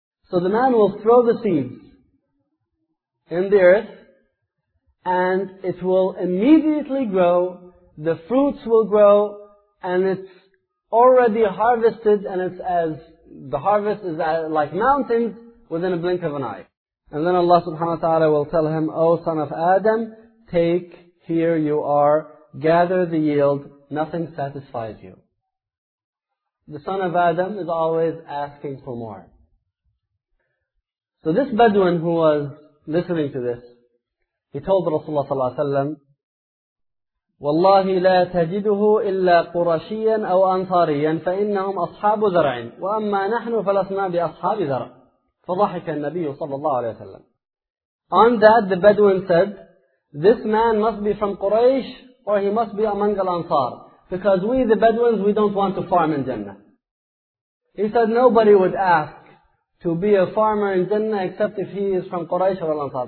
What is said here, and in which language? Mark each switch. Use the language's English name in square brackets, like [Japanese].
[English] So the man will throw the seeds in the earth, and it will immediately grow, the fruits will grow, and it's already harvested, and it's as, the harvest is as, like mountains within a blink of an eye. And then Allah subhanahu wa ta'ala will tell him, O son of Adam, take, here you are, gather the yield, nothing satisfies you. The son of Adam is always asking for more. So this Bedouin who was listening to this, he told Rasulullah [Arabic] صلى الله عليه وسلم, وَاللَّهِ لَا تَجِدُهُ إِلَّا قُرَشِيًا أَوْ أَنْصَارِيًا فَإِنَّهُمْ أَصْحَابُ زَرْعٍ وَأَمَّا نَحْنُ فَلَسْنَا بِأَصْحَابِ زَرْعٍ فَضَحِكَ النَّبِيُّ صلى الله عليه وسلم. [English] On that the Bedouin said, this man must be from Quraysh or he must be among the Ansar, because we the Bedouins, we don't want to farm in Jannah. He said, nobody would ask to be a farmer in Jannah except if he is from Quraysh or Al-Ansar.